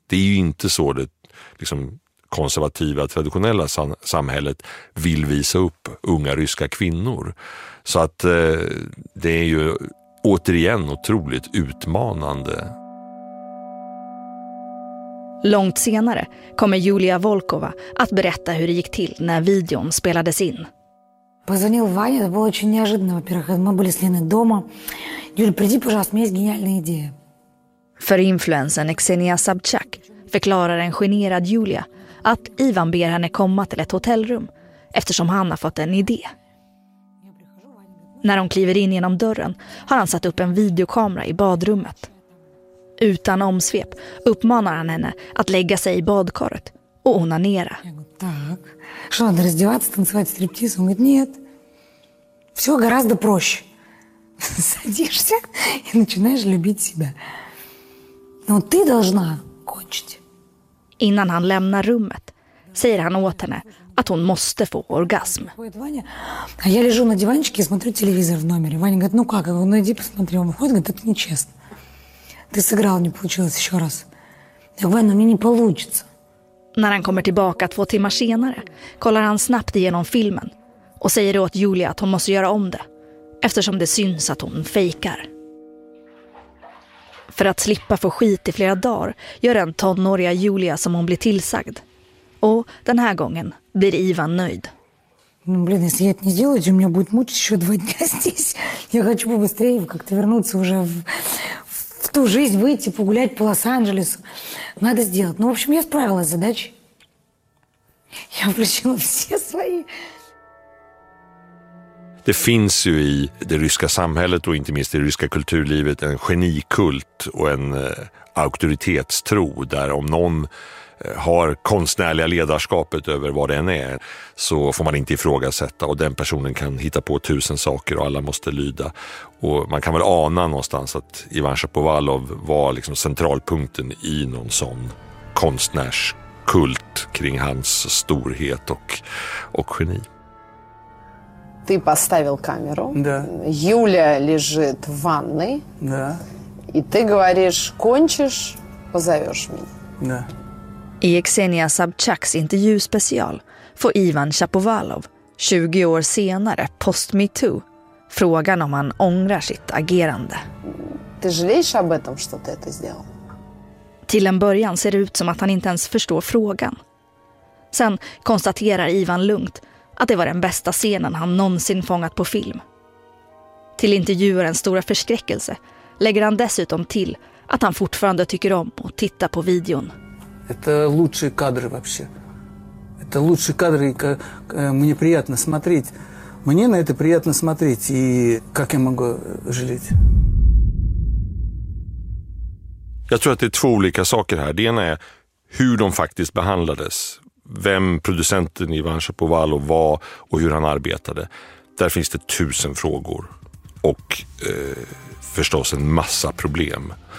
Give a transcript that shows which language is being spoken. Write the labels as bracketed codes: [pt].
[sv] Det är ju inte så det liksom konservativa, traditionella samhället vill visa upp unga ryska kvinnor. Så att det är ju återigen otroligt utmanande. Långt senare kommer Julia Volkova att berätta hur det gick till när videon spelades in. [ru] Позвонил Ваня, это было очень неожиданно. Во-первых, мы были с Леной дома. Юля, приди, пожалуйста, у меня есть гениальная идея. [sv] För influencern Ксения Собчак förklarar en generad Julia att Ivan ber henne komma till ett hotellrum eftersom han har fått en idé. När de kliver in genom dörren har han satt upp en videokamera i badrummet. Utan omsvep uppmanar han henne att lägga sig i badkaret och onanera. [ru] Так. Что надо раздеваться, танцевать стриптиз? Он говорит: "Нет. Всё гораздо проще. Садишься и начинаешь любить себя. Но ты должна кончить." [sv] Innan han lämnar rummet säger han åt henne att hon måste få orgasm. [ru] А я лежу на диванчике, смотрю телевизор в номере. Ваня говорит: "Ну как? Ну иди посмотри". Он говорит: "Это нечестно. Ты сыграл, не получилось ещё раз". Я говорю: "Ну мне не получится". [sv] När han kommer tillbaka 2 timmar senare kollar han snabbt igenom filmen och säger åt Julia att hon måste göra om det eftersom det syns att hon fejkar. För att slippa få skit i flera dagar gör den tonåriga Julia som hon blir tillsagd. Och den här gången blir Ivan nöjd. [ru] Ну, блин, если я это не сделаю, у меня будет мучить еще 2 дня здесь. Я хочу побыстрее как-то вернуться уже в ту жизнь, выйти погулять по Лос-Анджелесу. Надо сделать. Ну, в общем, я справилась с задачей. Я включила все свои. [sv] Det finns ju i det ryska samhället och inte minst i det ryska kulturlivet en genikult och en auktoritetstro där om någon har konstnärliga ledarskapet över vad den är så får man inte ifrågasätta och den personen kan hitta på 1000 saker och alla måste lyda. Och man kan väl ana någonstans att Ivan Shapovalov var liksom centralpunkten i någon sån konstnärskult kring hans storhet och geni. [ru] Ты поставил камеру. Да. Юля лежит в ванной. Да. И ты говоришь: "Кончишь, позовёшь меня". Да. [sv] I Ksenia Sabchaks intervjuspecial får Ivan Shapovalov 20 år senare post me too frågan om han ångrar sitt agerande. [ru] Ты жалеешь об этом, что ты это сделал? [sv] Till en början ser det ut som att han inte ens förstår frågan. Sen konstaterar Ivan lugnt att det var den bästa scenen han någonsin fångat på film. Till intervjuarens stora förskräckelse lägger han dessutom till att han fortfarande tycker om att titta på videon. [ru] Det är лучшие кадры вообще. Это лучшие кадры, мне приятно смотреть. Мне на это приятно смотреть, и как я могу жалеть? [sv] Jag tror att det är 2 olika saker här. Det ena är hur de faktiskt behandlades. Vem producenten Ivan Shapovalov var och hur han arbetade. Där finns det 1000 frågor och förstås en massa problem.